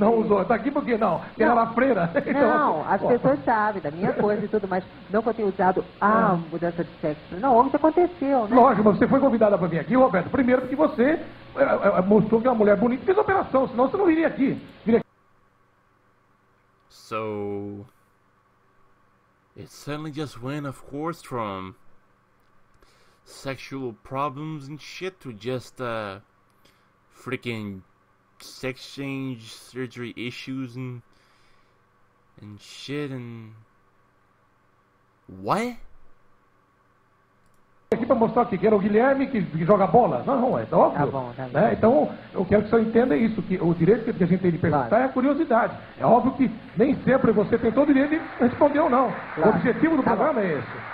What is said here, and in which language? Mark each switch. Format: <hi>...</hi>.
<pt>Não usou. Tá aqui porque não. Que era freira. Não, as pessoas sabem da minha coisa e tudo, mas não que eu tenha usado a mudança de sexo. Não, isso aconteceu, né? Lógico, mas você foi convidada para vir aqui, Roberto, primeiro porque você mostrou que é uma mulher bonita e fez a operação, senão você não viria aqui.</pt> <en>So, it suddenly just went, of course, from sexual problems and shit to just freaking sex change surgery issues and shit and... What?</en> <pt>Aqui para mostrar que era o Guilherme que joga bola. Não, é óbvio. Tá bom, né? Então, eu quero que você entenda isso, que o direito que a gente tem de perguntar, claro, é a curiosidade. É óbvio que nem sempre você tem todo o direito de responder ou não. Claro. O objetivo do programa é esse.</pt>